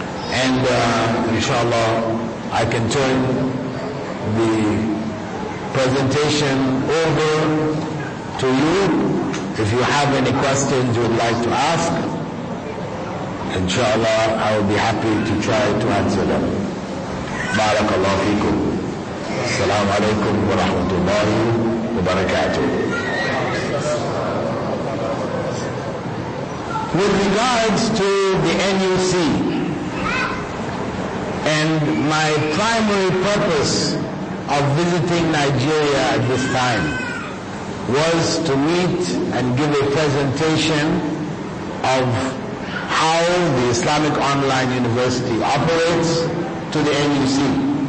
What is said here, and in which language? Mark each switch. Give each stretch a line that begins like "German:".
English: And inshallah, I can turn the presentation over to you. If you have any questions you would like to ask, inshallah, I will be happy to try to answer them.
Arabic: بارك الله فيكم السلام عليكم ورحمة الله وبركاته.
English: With regards to the NUC, and my primary purpose of visiting Nigeria at this time was to meet and give a presentation of how the Islamic Online University operates to the NUC.